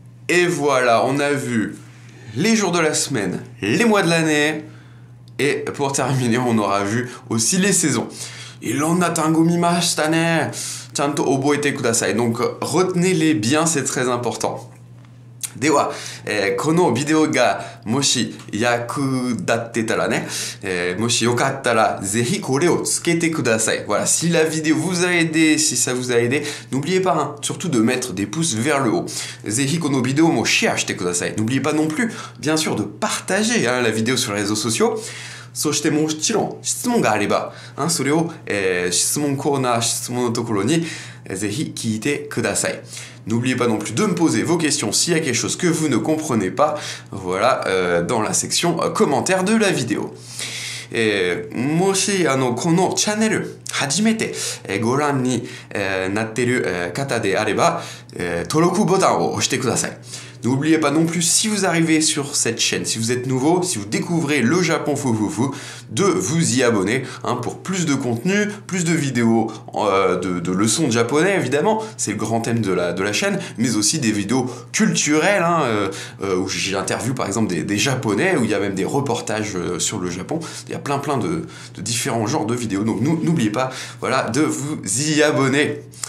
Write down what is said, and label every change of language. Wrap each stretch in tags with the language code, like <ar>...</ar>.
<fr>Et voilà, on a vu les jours de la semaine, les mois de l'année. Et pour terminer, on aura vu aussi les saisons.</fr> <ja>Ironna tangomimashita ne. Chanto oboete kudasai.</ja> <fr>Donc retenez-les bien, c'est très important.</fr> <ja>では、このビデオがもし役立ってたらね、もしよかったらぜひこれをつけてください。</ja> <fr>Voilà, si la vidéo vous a aidé, si ça vous a aidé, n'oubliez pas, hein, surtout de mettre des pouces vers le haut.</fr> <ja>ぜひこのビデオもシェアしてください。</ja> <fr>N'oubliez pas non plus, bien sûr, de partager hein, la vidéo sur les réseaux sociaux.</fr> <ja>そしてもちろん質問があれば、hein, それを、質問コーナー、質問のところにぜひ聞いてください。</ja> <fr>N'oubliez pas non plus de me poser vos questions s'il y a quelque chose que vous ne comprenez pas, voilà, dans la section commentaires de la vidéo.</fr> <ja>Et, もし、このチャンネル、初めてご覧に、なってる、方であれば、登録ボタンを押してください。</ja> <fr>N'oubliez pas non plus, si vous arrivez sur cette chaîne, si vous êtes nouveau, si vous découvrez le Japon foufoufou, de vous y abonner hein, pour plus de contenu, plus de vidéos de leçons de japonais, évidemment, c'est le grand thème de la chaîne, mais aussi des vidéos culturelles, hein, où j'interview par exemple des japonais, où il y a même des reportages sur le Japon, il y a plein de différents genres de vidéos, donc n'oubliez pas voilà, de vous y abonner.</fr>